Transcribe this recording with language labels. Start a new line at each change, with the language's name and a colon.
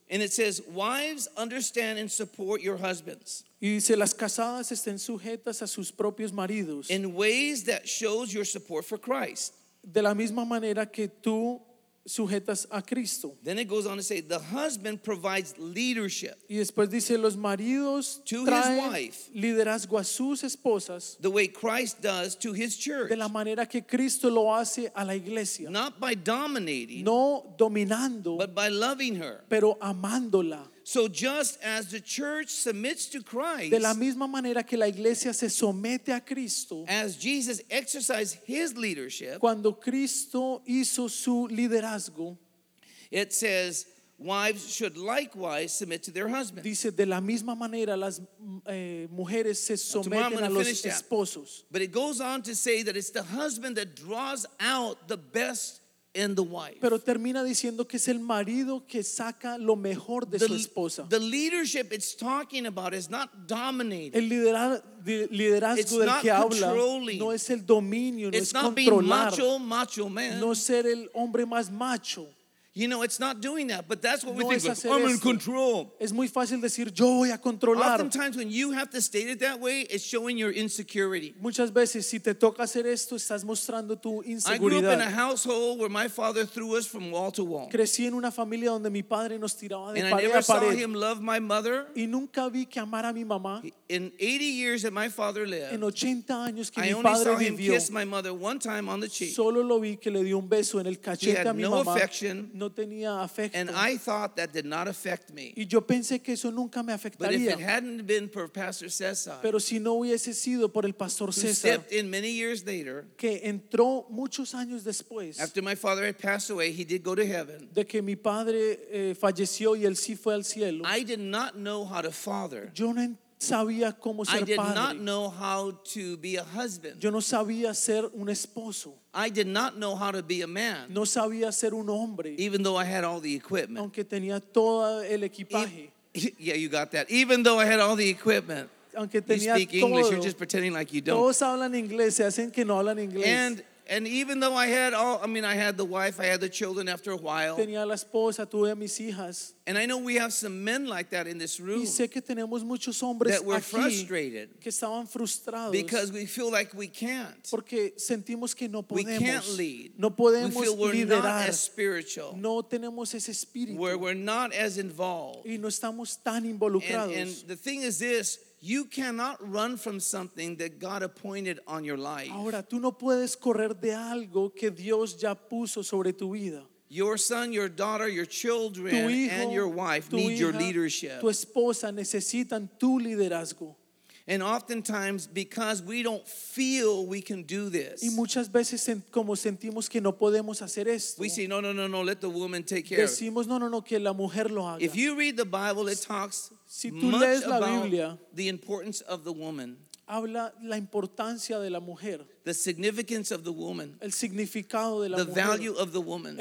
English: And it says, "Wives, understand and support your husbands."
Spanish: Y dice, "Las casadas estén sujetas a sus propios maridos."
English: In ways that shows your support for Christ.
Spanish: De la misma manera que tú sujetas a Cristo.
English: Then it goes on to say, "The husband provides leadership."
Spanish: Y después dice, los maridos
English: to
Spanish: traen
English: his wife,
Spanish: liderazgo a sus esposas,
English: the way Christ does to his church.
Spanish: De la manera que Cristo lo hace a la iglesia.
English: Not by dominating,
Spanish: no dominando,
English: but by loving her,
Spanish: pero amándola.
English: So just as the church submits to Christ,
Spanish: de la misma manera que la iglesia se somete a Cristo,
English: as Jesus exercised his leadership,
Spanish: cuando Cristo hizo su liderazgo,
English: it says, wives should likewise submit to their husbands.
Spanish: Dice, de la misma manera las mujeres se someten a los esposos.
English: But it goes on to say that it's the husband that draws out the best in the wife.
Spanish: Pero termina diciendo que es el marido que saca lo mejor de su esposa.
English: The leadership it's talking about is not dominating.
Spanish: El liderazgo del que habla no es el dominio, no es controlar.
English: It's not being macho, macho man.
Spanish: No ser el hombre más macho.
English: You know, it's not doing that, but that's what
Spanish: no
English: we think. Like, I'm
Spanish: eso.
English: In control.
Spanish: Es muy fácil decir, yo voy a controlar.
English: Oftentimes, when you have to state it that way, it's showing your insecurity.
Spanish: Muchas veces, si te toca hacer esto, estás mostrando tu inseguridad.
English: I grew up in a household where my father threw us from wall to wall.
Spanish: Crecí en una familia donde mi padre nos tiraba de pared a pared.
English: And I never saw him love my mother.
Spanish: Y nunca vi que amara a mi mamá.
English: In 80 years that my father lived,
Spanish: en 80 años que
English: I
Spanish: mi
English: only
Spanish: padre
English: saw him
Spanish: vivió,
English: kiss my mother one time on the cheek.
Spanish: Solo lo vi que le dio un beso en el cachete a mi no mamá.
English: He had no affection.
Spanish: No tenía afecto.
English: And I thought that did not affect me.
Spanish: Y yo pensé que eso nunca me afectaría.
English: But if it hadn't been for Pastor Cesar,
Spanish: pero si no hubiese sido por el Pastor Cesar,
English: who stepped in many years later,
Spanish: que entró muchos años después,
English: after my father had passed away, he did go to heaven,
Spanish: de que mi padre falleció y él sí fue al cielo,
English: I did not know how to father.
Spanish: Yo no sabía cómo ser padre.
English: I did not know how to be a husband.
Spanish: Yo no sabía ser un esposo.
English: I did not know how to be a man.
Spanish: No sabía ser un hombre.
English: Even though I had all the equipment.
Spanish: Aunque tenía todo el equipaje.
English: Yeah, you got that. Even though I had all the equipment,
Spanish: aunque tenía
English: you speak English,
Spanish: todo,
English: you're just pretending like you don't.
Spanish: Todos hablan inglés, se hacen que no hablan inglés.
English: And even though I had all, I mean, I had the wife, I had the children after a while.
Spanish: Tenía la esposa, tuve a mis hijas.
English: And I know we have some men like that in this room.
Spanish: Y sé que tenemos muchos hombres
English: that were
Spanish: aquí
English: frustrated.
Spanish: Que estaban frustrados.
English: Because we feel like we can't.
Spanish: Porque sentimos que no podemos.
English: We can't lead.
Spanish: No podemos
English: we feel we're
Spanish: liderar.
English: Not as spiritual.
Spanish: No tenemos ese espíritu.
English: Where we're not as involved.
Spanish: Y no estamos tan involucrados.
English: And the thing is this. You cannot run from something that God appointed on your life.
Spanish: Ahora, tú no puedes correr de algo que Dios ya puso sobre tu vida.
English: Your son, your daughter, your children,
Spanish: tu hijo,
English: and your wife
Spanish: tu
English: need
Spanish: hija,
English: your leadership.
Spanish: Tu esposa necesitan tu liderazgo.
English: And oftentimes, because we don't feel we can do this,
Spanish: y muchas veces como sentimos que no podemos hacer esto,
English: we say, no, let the woman take care of it.
Spanish: Decimos, no, que la mujer lo haga.
English: If you read the Bible, it talks
Spanish: si tú lees la Biblia,
English: about the importance of the woman.
Spanish: Habla la importancia de la mujer.
English: The significance of the woman.
Spanish: El significado de la
English: the
Spanish: mujer.
English: The value of the woman.